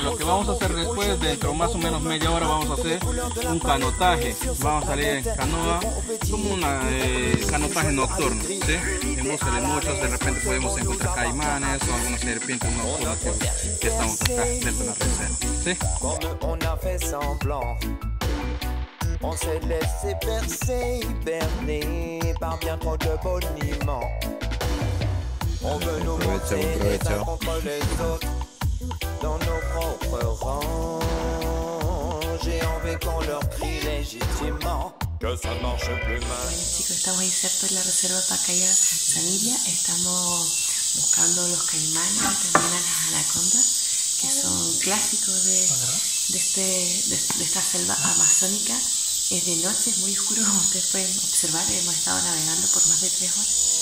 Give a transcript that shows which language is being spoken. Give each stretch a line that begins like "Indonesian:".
Spanish: Lo que vamos a hacer después, dentro más o menos media hora, vamos a hacer un canotaje. Vamos a salir en canoa, como un canotaje nocturno, ¿sí? En busca de muchos, de repente podemos encontrar caimanes o algunas serpientes nocturnas que estamos acá dentro de la reserva, ¿sí?
French: On s'est laissé percer, hiberner par bien trop de boniments. On veut nous monter les uns contre les autres dans nos propres rangs. J'ai envie qu'on leur crie légitimement.
Spanish: Bueno chicos, estamos ahí cerca de la reserva Pacaya Sanilla. Estamos buscando los caimanes, también a las anacondas, que son clásicos de esta selva amazónica. Es de noche, es muy oscuro, como ustedes pueden observar. Hemos estado navegando por más de 3 horas.